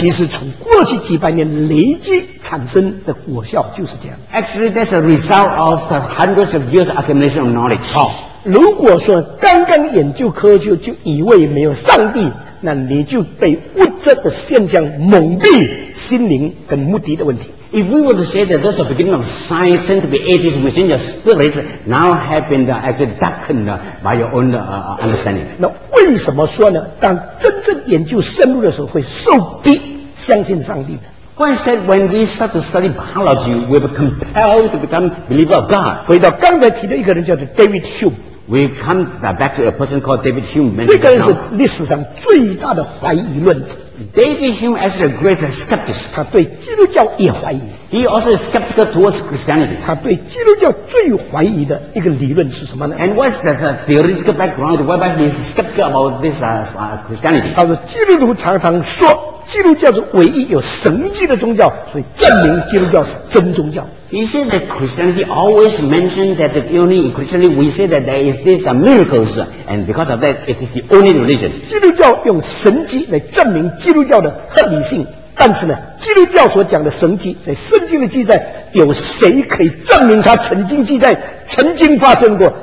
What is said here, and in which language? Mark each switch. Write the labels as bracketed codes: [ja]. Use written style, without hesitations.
[zh] 其实从过去几百年累积产生的果效就是这样。 [en] Actually， that's a result of the hundreds of years accumulation of knowledge。 [zh] 好。如果说刚刚研究科学就以为没有上帝，那你就被物质的现象蒙蔽心灵跟目的的问题。 [en] If we were to say that that's the beginning of science tend to be atheism, we think your spirit now have been actually darkened by your own understanding. [zh] 那为什么说呢？当真正研究深入的时候，会受逼相信上帝的。 [en] Why is that when we start to study biology, we were compelled to become believer of God? [zh] 回到刚才提的一个人叫做 David Hume。 [en] We come back to a person called David Hume. [zh] 这个人是历史上最大的怀疑论者。 [en] David Hume as the greatest skeptic. [zh] 他对基督教也怀疑。 [en] He also is skeptical towards Christianity. [zh] 他对基督教最怀疑的一个理论是什么呢 [en] ？And what's the theoretical background whereby he is skeptical about this Christianity? [zh] 他说基督徒常常说基督教是唯一有神迹的宗教，所以证明基督教是真宗教。 [en] He said that Christianity always mentioned that the only in Christianity we say that there is this miracles, and because of that, it is the only religion. [zh] 基督教用神迹来证明基督教的合理性，但是呢，基督教所讲的神迹在圣经的记载，有谁可以证明它曾经记载、曾经发生过？